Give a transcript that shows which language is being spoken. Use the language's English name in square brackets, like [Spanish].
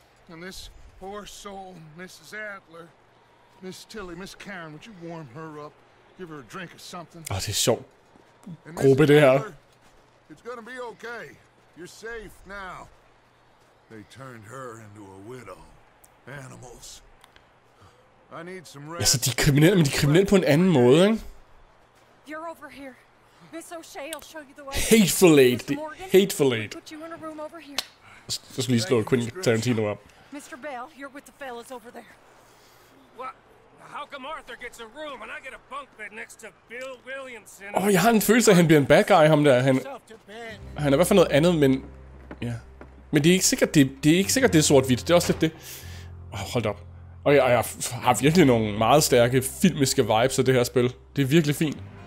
[English] And this poor soul, Mrs. Adler, Miss Tilly, Miss Karen, would you warm her up? Give her a drink or something? [Danish] Oh, det er sjovt. Gruppe, det her. [English] It's gonna be okay. You're safe now. They turned her into a widow. Animals. I need some rest. [Danish] Ja, så de er kriminelle, men de er kriminelle på en anden måde, ikke? [English] You're over here. Miss O'Shea, I'll show you the way. Hateful Eight. Hateful Eight. Put you in a room over here. [Danish] Så skal lige slå Quentin Tarantino op. [English] Mr. Bell, you're with the fellas over there. What? How come Arthur gets a room and I get a bunk bed next to Bill Williamson? [Danish] Jeg har en følelse af, at han bliver en bad guy, ham der. Han er i hvert fald noget andet, men... Ja. Men det er ikke sikkert, det er sort-hvidt. Det er også lidt det. Hold op. Jeg har virkelig nogle meget stærke filmiske vibes af det her spil. Det er virkelig fint.